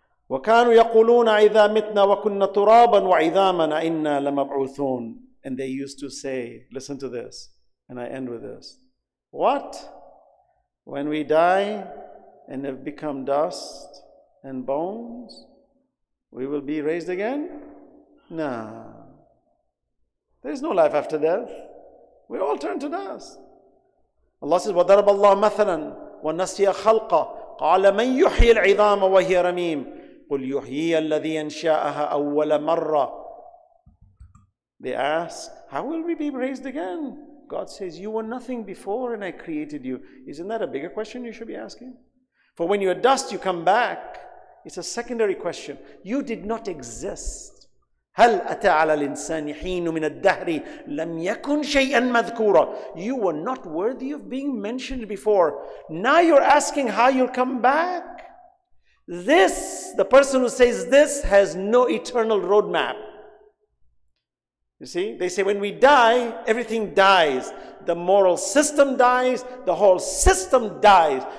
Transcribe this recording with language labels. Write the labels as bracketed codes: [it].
[ar] وَكَانُوا يَقُولُونَ إِذَا مِتْنَا وَكُنَّا تُرَابًا وَعِذَامًا أَإِنَّا لَمَبْعُوثُونَ, [en] and they used to say, listen to this, and I end with this. What? When we die and have become dust and bones, we will be raised again? Nah. There's no life after death. We all turn to dust. Allah says, [ar] وَضَرَبَ اللَّهُ مَثَلًا وَنَسِيَ خَلْقَ قَالَ مَنْ يُحْيِي الْعِظَامَ وَهِيَ رَمِيمٌ قُلْ يُحْيِيَ الَّذِي أَنْشَاءَهَا أَوَّلَ مَرَّةٍ, [en] they ask, how will we be raised again? God says, you were nothing before and I created you. Isn't that a bigger question you should be asking? For when you're dust, you come back. It's a secondary question. You did not exist. [ar] هَلْ أَتَى عَلَى الْإِنسَانِ حِينُ مِنَ الدَّهْرِ لَمْ يَكُنْ شَيْئًا مَذْكُورًا, [en] you were not worthy of being mentioned before. Now you're asking how you'll come back? This, the person who says this, has no eternal roadmap. You see, they say when we die, everything dies. The moral system dies, the whole system dies.